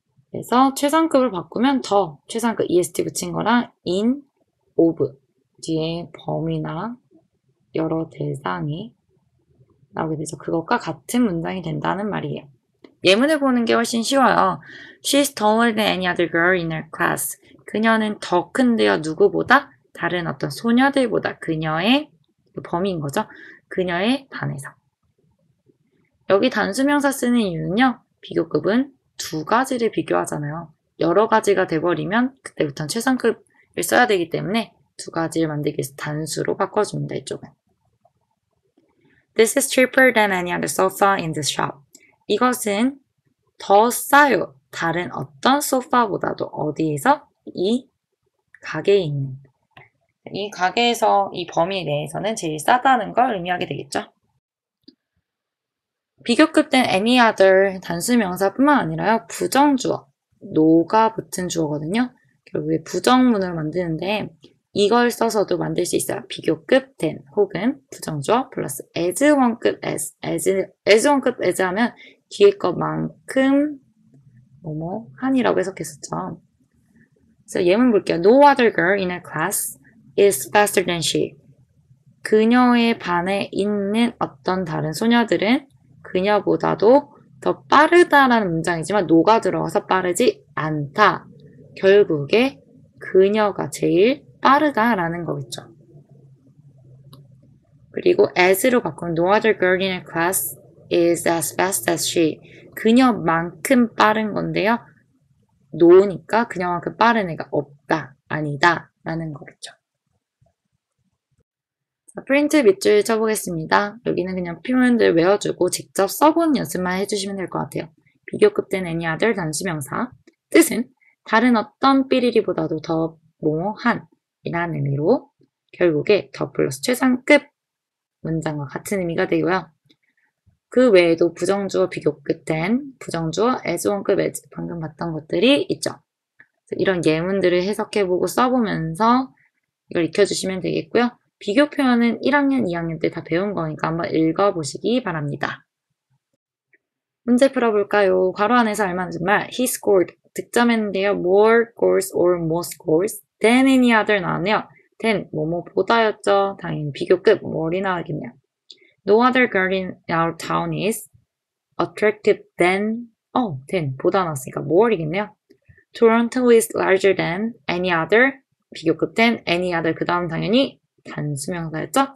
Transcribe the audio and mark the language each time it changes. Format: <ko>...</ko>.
<ko>그래서 최상급을 바꾸면 더 최상급 EST 붙인 거랑 in, of 뒤에 범위나 여러 대상이 나오게 되죠. 그것과 같은 문장이 된다는 말이에요. 예문을 보는 게 훨씬 쉬워요.</ko> <en>She's taller than any other girl in her class.</en> <ko>그녀는 더 큰데요. 누구보다? 다른 어떤 소녀들보다 그녀의 범위인 거죠. 그녀의 반에서. 여기 단수명사 쓰는 이유는요. 비교급은 두 가지를 비교하잖아요. 여러 가지가 돼버리면 그때부터는 최상급을 써야 되기 때문에 두 가지를 만들기 위해서 단수로 바꿔줍니다. 이쪽은.</ko> <en>This is cheaper than any other sofa in the shop.</en> <ko>이것은 더 싸요. 다른 어떤 소파보다도 어디에서? 이 가게에 있는. 이 가게에서 이 범위 내에서는 제일 싸다는 걸 의미하게 되겠죠. 비교급 된 any other 단수명사뿐만 아니라요. 부정주어. no가 붙은 주어거든요. 결국에 부정문을 만드는데 이걸 써서도 만들 수 있어요. 비교급 된 혹은 부정주어 플러스 as 원급 as. as 원급 as 하면 뒤에 것만큼 뭐뭐 한이라고 해석했었죠. 그래서 예문 볼게요.</ko> <en>No other girl in her class is faster than she.</en> <ko>그녀의 반에 있는 어떤 다른 소녀들은 그녀보다도 더 빠르다라는 문장이지만 노가 들어가서 빠르지 않다. 결국에 그녀가 제일 빠르다라는 거겠죠. 그리고 as로 바꾸면</ko> <en>no other girl in her class is as fast as she.</en> <ko>그녀만큼 빠른 건데요. no니까 그녀만큼 빠른 애가 없다, 아니다 라는 거겠죠. 자, 프린트 밑줄 쳐보겠습니다. 여기는 그냥 표현들 외워주고 직접 써본 연습만 해주시면 될것 같아요. 비교급된 any other 단수 명사. 뜻은 다른 어떤 삐리리보다도 더 모호한 이라는 의미로 결국에 더 플러스 최상급 문장과 같은 의미가 되고요. 그 외에도 부정주어 비교급 된 부정주어 as 원급 as 방금 봤던 것들이 있죠. 이런 예문들을 해석해보고 써보면서 이걸 익혀주시면 되겠고요. 비교 표현은 1학년, 2학년 때다 배운 거니까 한번 읽어보시기 바랍니다. 문제 풀어볼까요? 괄호 안에서 알맞은 말,</ko> <en>he scored</en> <ko>득점했는데요.</ko> <en>more goals or most goals than any other</en> <ko>나왔네요. than 뭐뭐보다였죠. 당연히 비교급 more이 나왔겠네요.</ko> <en>No other girl in our town is attractive than,</en> <ko>보다 나왔으니까 more이겠네요.</ko> <en>Toronto is larger than any other, 비교급 than any other,</en> <ko>그 다음 당연히 단수명사였죠.</ko>